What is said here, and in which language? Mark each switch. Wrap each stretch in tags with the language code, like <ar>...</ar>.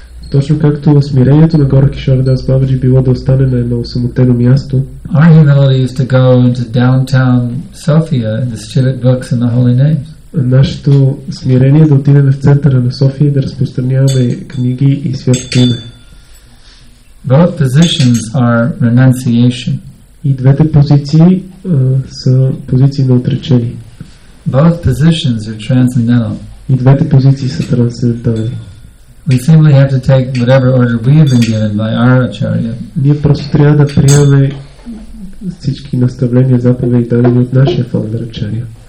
<bg>Точно както смирението на Gaurakishwardas Babaji било да остане на едно самотено място.</bg> <en>Our humility is to go into downtown Sofia and distribute books in the holy names.</en> <bg>Нашето смирение е да отидем в центъра на София и да разпространяваме книги и святото име.</bg> <en>Both positions are renunciation.</en> <bg>И двете позиции са позиции на отречени.</bg> <en>Both positions are transcendental.</en> <bg>И двете позиции са трансцендентални.</bg> <en>We simply have to take whatever order we have been given by our acharya.</en> <bg>Ние просто трябва да приемаме всички наставления, заповеди, дадени от нашия фаундър ачарья.</bg>